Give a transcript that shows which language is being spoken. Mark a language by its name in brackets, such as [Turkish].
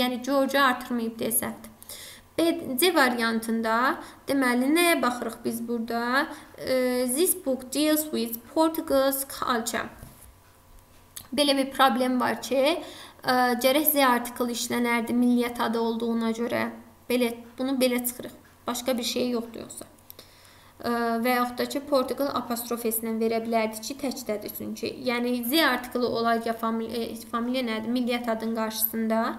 [Azerbaijani] Yəni, George-u artırmayıb deyə səhvdir. C variantında, deməli, nəyə baxırıq biz burada? [English] This book deals with Portuguese culture. [Azerbaijani] Belə bir problem var ki, gərək Z artikl işlənərdi milliyyət adı olduğuna görə. Belə, bunu belə çıxırıq. Başqa bir şey yoxdur yoxsa. Və yaxud da ki, Portugal apostrof s-lə verə bilərdi ki, təkdədir. Çünki, yəni Z artiklı olar ya familiya nədir, milliyyət adın qarşısında.